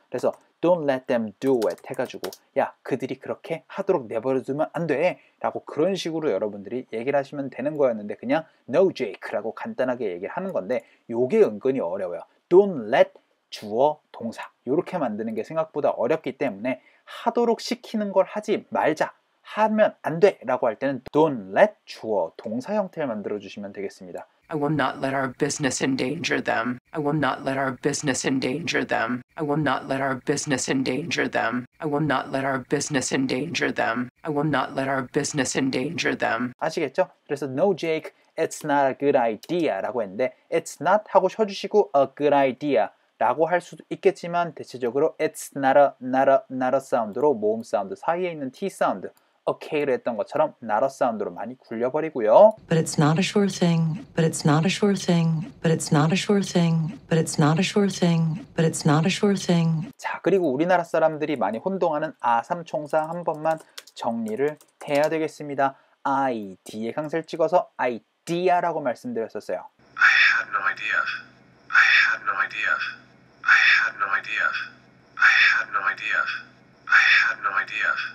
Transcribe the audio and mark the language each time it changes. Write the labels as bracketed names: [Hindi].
[Korean] 그래서 [English] don't let them do it [Korean] 해가지고 야 그들이 그렇게 하도록 내버려 두면 안 돼 라고 그런 식으로 여러분들이 얘기를 하시면 되는 거였는데 그냥 no Jake 라고 간단하게 얘기를 하는 건데 요게 은근히 어려워요. don't let 주어, 동사 이렇게 만드는 게 생각보다 어렵기 때문에 하도록 시키는 걸 하지 말자, 하면 안 돼 라고 할 때는 don't let 주어, 동사 형태를 만들어주시면 되겠습니다. [English] I will not let our business endanger them. I will not let our business endanger them. I will not let our business endanger them. I will not let our business endanger them. I will not let our business endanger them. [Korean] 아시겠죠? 그래서 [English] no Jake, it's not a good idea [Korean] 라고 했는데 it's not 하고 쳐주시고 a good idea 라고 할 수도 있겠지만 대체적으로 it's not a, not a, not a 사운드로 모음 사운드 사이에 있는 T 사운드 OK를 했던 것처럼 not a 사운드로 많이 굴려버리고요. [English] But it's not a sure thing, but it's not a sure thing, but it's not a sure thing, but it's not a sure thing, but it's not a sure thing. [Korean] 자, 그리고 우리나라 사람들이 많이 혼동하는 아삼총사 한 번만 정리를 해야 되겠습니다. I, D에 강세를 찍어서 idea라고 말씀드렸었어요. [English] I had no idea. I had no idea. I had no idea. I had no idea. I had no idea.